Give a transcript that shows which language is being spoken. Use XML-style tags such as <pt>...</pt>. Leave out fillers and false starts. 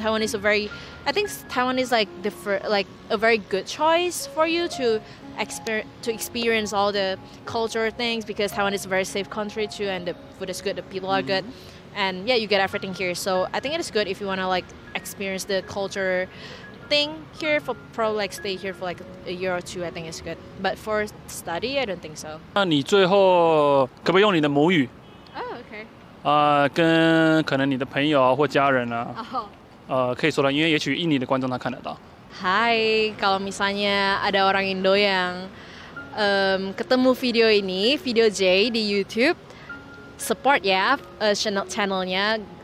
<en>Taiwan is a very, I think Taiwan is like a very good choice for you to experience all the cultural things, because Taiwan is a very safe country too, and the food is good, the people are good, and yeah, you get everything here. So I think it is good if you want to like experience the culture thing here, for probably like stay here for like a year or two, I think it's good. But for study, I don't think so.</en> <zh>那你最后可不可以用你的母语？</zh> <en>Okay.</en> <zh>跟可能你的朋友或家人啊。可以说了，因为也许印尼的观众他看得到。</zh> <id>Hi, kalau misalnya ada orang Indo yang ketemu video ini, video Jay di YouTube, support ya channelnya.</id>